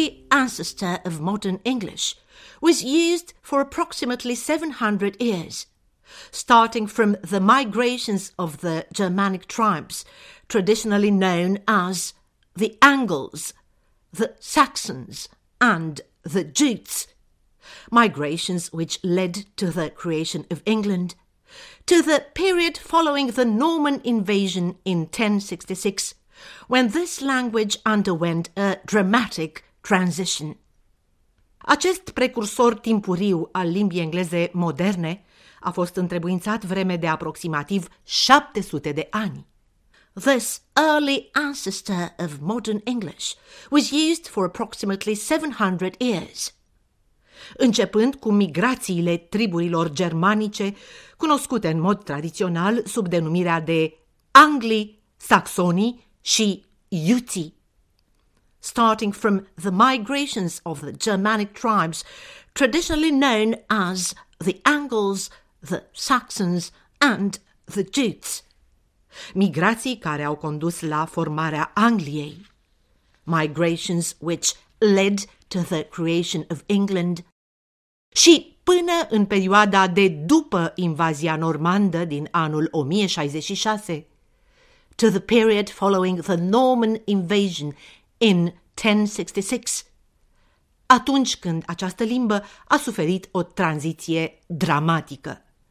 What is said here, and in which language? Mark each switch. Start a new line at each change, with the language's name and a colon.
English: Ancestor of modern English was used for approximately 700 years, starting from the migrations of the Germanic tribes, traditionally known as the Angles, the Saxons, and the Jutes, migrations which led to the creation of England, to the period following the Norman invasion in 1066, when this language underwent a dramatic transition.
Romanian: Acest precursor timpuriu al limbii engleze moderne a fost întrebuințat vreme de aproximativ 700 de ani.
English: This early ancestor of modern English was used for approximately 700 years.
Romanian: Începând cu migrațiile triburilor germanice, cunoscute în mod tradițional sub denumirea de Anglii, Saxonii și Iuții.
English: starting from the migrations of the Germanic tribes, traditionally known as the Angles, the Saxons, and the Jutes.
Romanian: Migrații care au condus la formarea Angliei.
English: Migrations which led to the creation of England.
Romanian: Și până în perioada de după invazia normandă din anul 1066,
English: to the period following the Norman invasion in 1066,
Romanian: atunci când această limbă a suferit o tranziție dramatică.